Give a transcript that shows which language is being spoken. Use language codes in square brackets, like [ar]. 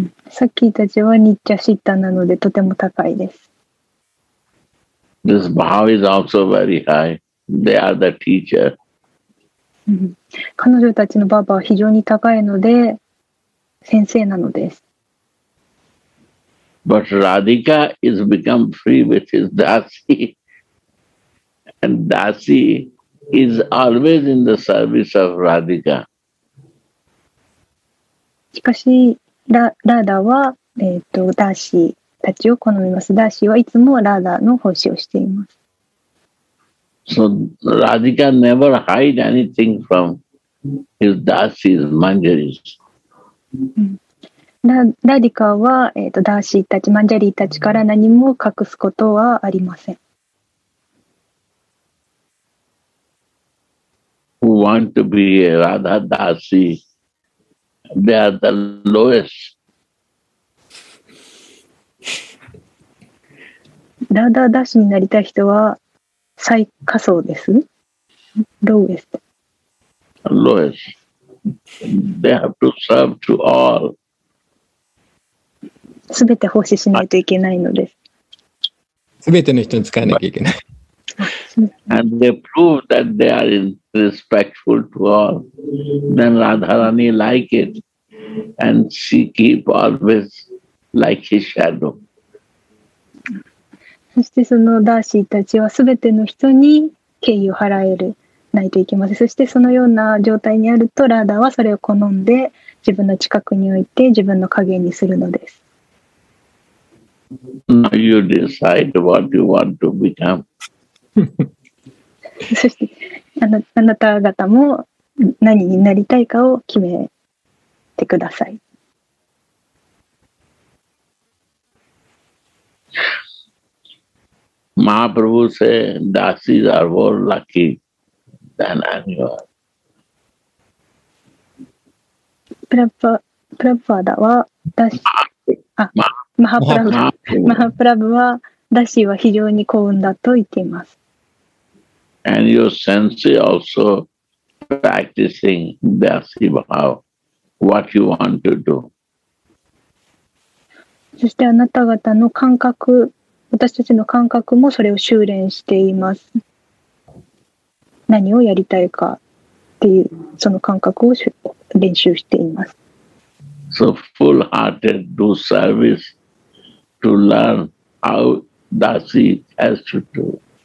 [ja] Sakhi たちは Nitya Siddha なのでとても高いです。 [en] This Bhav is also very high. They are the teacher. [ja] 彼女たちのババは非常に高いので先生なのです。 [en] But Radhika is become free with his Dasi. And Dasi is always in the service of Radhika. [ja] しかし、ラーダは、ダーシーたちを好みます。ダーシーはいつもラーダの奉仕をしています。 [en] So Radhika never hide anything from his Dasi's manjaris. [ja] ラーディカは、ダーシーたち、マンジャリーたちから何も隠すことはありません。 [en] Who want to be a Radha Dasi? They are the lowest. [ja] Radha Dasi になりたい人は最下層です。 [en] Lowest. Lowest. They have to serve to all. [ja] すべて奉仕しないといけないのです。すべての人に使わなきゃいけない。 [en] And they prove that they are respectful to all. Then Radharani like it, and she keep always like his shadow. [ja] そしてそのダーシーたちはすべての人に敬意を払えるないといけません。そしてそのような状態にあるとラーダはそれを好んで自分の近くに置いて自分の影にするのです。 [en] Now you decide what you want to become. [ja] そしてあなた方も何になりたいかを決めてください。 [en] マハプラブーセーダーシーズアーモーラッキーダンアニュアル。 [ja] プラブファーダはダーシーあマハプラブマハプラブはダーシーは非常に幸運だと言っています。 [en] And your sensei also practicing Dasi Bhav, what you want to do. [ja] そしてあなた方の感覚、私たちの感覚もそれを修練しています。何をやりたいかっていうその感覚を練習しています。 [en] So full-hearted do service to learn how Dasi has to do.